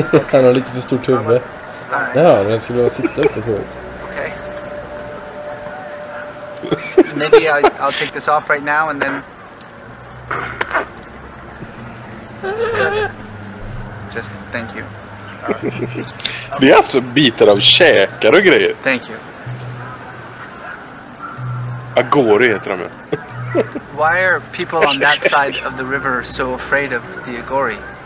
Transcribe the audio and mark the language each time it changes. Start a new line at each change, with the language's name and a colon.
Swedish: Han har lite för stort huvud. Nej. Ja, den skulle vara sitta uppe på huvudet. Okej.
English: Okay. Maybe I'll take this off right now and then... Just thank you. Right.
Swedish: Det är alltså bitar av käkar och grejer.
English: Thank you.
Swedish: Agori heter de.
English: Why are people on that side of the river so afraid of the agori?